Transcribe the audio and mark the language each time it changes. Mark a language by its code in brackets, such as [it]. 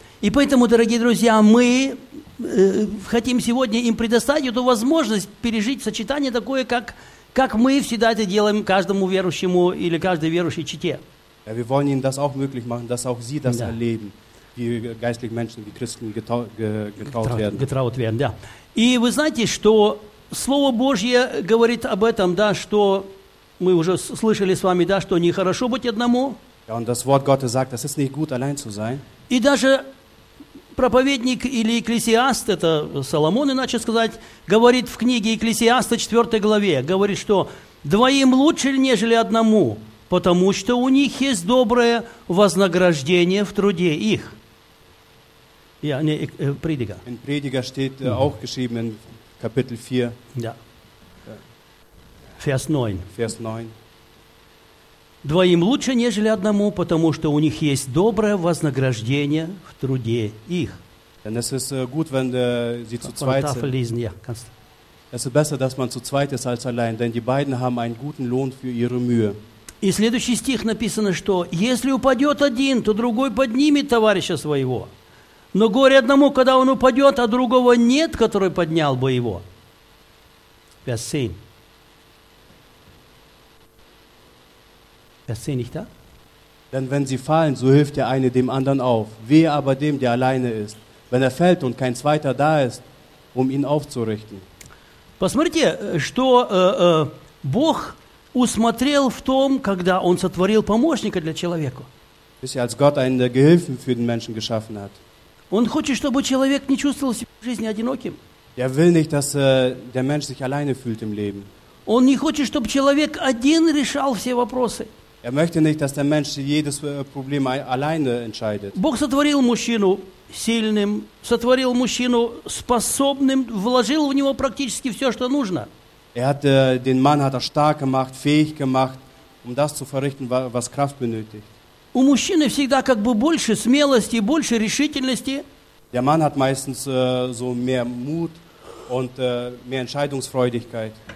[ru] И поэтому, дорогие друзья, мы хотим сегодня им предоставить эту возможность пережить сочетание такое, как мы всегда это делаем каждому верующему или каждой верующей чете. [de] Ja, wir wollen ihnen das auch möglich machen, dass auch sie das erleben, wie geistliche Menschen, wie Christen getraut werden. [ru] Да. И вы знаете, что Слово Божье говорит об этом, да, что мы уже слышали с вами, да, что нехорошо быть одному. [de] Ja, und das Wort Gottes sagt, das ist nicht gut, allein zu sein. [ru] И даже проповедник или экклесиаст, это Соломон, иначе сказать, говорит в книге Экклесиаста 4 главе, говорит, что двоим лучше, нежели одному, потому что у них есть доброе вознаграждение в труде их. Я не Предика. [de] In Prediger steht auch geschrieben in Kapitel 4. [ru] Да. [de] Vers 9. Vers 9. [ru] Двоим лучше, нежели одному, потому что у них есть доброе вознаграждение в труде их. [de] Denn es ist gut, wenn sie zu zweit sind. Lesen, ja, kannst. Es ist besser, dass man zu zweit ist als allein, denn die beiden haben einen guten Lohn für ihre Mühe. [ru] И следующий стих написано, что если упадет один, то другой поднимет товарища своего. Но горе одному, когда он упадет, а другого нет, который поднял бы его. [de] Vers 7. Das sehe ich da. Denn wenn sie fallen, so hilft der eine dem anderen auf. Wehe aber dem, der alleine ist, wenn er fällt und kein zweiter da ist, um ihn aufzurichten. [ru] Посмотрите, что Бог усмотрел в том, когда Он сотворил помощника для человека. [de] Wisst ihr, als Gott einen Gehilfen für den Menschen geschaffen hat. [ru] Он хочет, чтобы человек не чувствовал себя в жизни одиноким. [de] Er will nicht, dass der Mensch sich alleine fühlt im Leben. [ru] Он не хочет, чтобы человек один решал все вопросы. [de] Er möchte nicht, dass der Mensch jedes Problem alleine entscheidet. [ru] Бог сотворил мужчину сильным, сотворил мужчину способным, вложил в него практически все, что нужно. [de] Er hat den Mann hat er stark gemacht, fähig gemacht, um das zu verrichten, was Kraft benötigt. [ru] У мужчины всегда как бы больше смелости, больше решительности. [de] Der Mann hat meistens so mehr Mut und mehr Entscheidungsfreudigkeit.